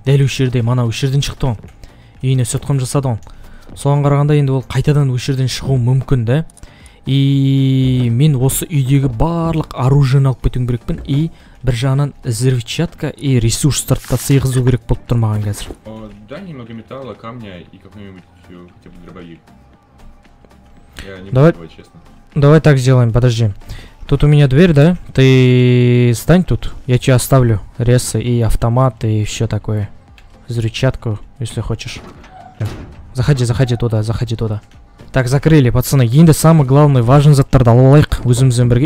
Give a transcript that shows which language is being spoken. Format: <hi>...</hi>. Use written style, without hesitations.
<kk>Дәл осы жерде, мана осы жерден шықты ғой. Үйіне сетхом жасады ғой. Соған қарағанда енді ол қайтадан осы жерден шығуы мүмкін да. И мен осы үйдегі барлық оружиені алып кетуім керекпін. И бір жағынан</kk> <ru>взрывчатка</ru> <kk>и ресурстарды сыйғызу керек болып тұр маған қазір.</kk> <ru>Дай немного металла, камня и какой-нибудь хотя бы дробовик. Давай, честно. Давай так сделаем, подожди. Тут у меня дверь, да? Ты стань тут. Я тебе оставлю ресы и автомат и все такое. Взрывчатку, если хочешь. Заходи, заходи туда, заходи туда. Так, закрыли, пацаны.</ru> <kk>Енді</kk> <ru>самый главный важен</ru> <kk>заттар да алайық өзімізден бірге.</kk>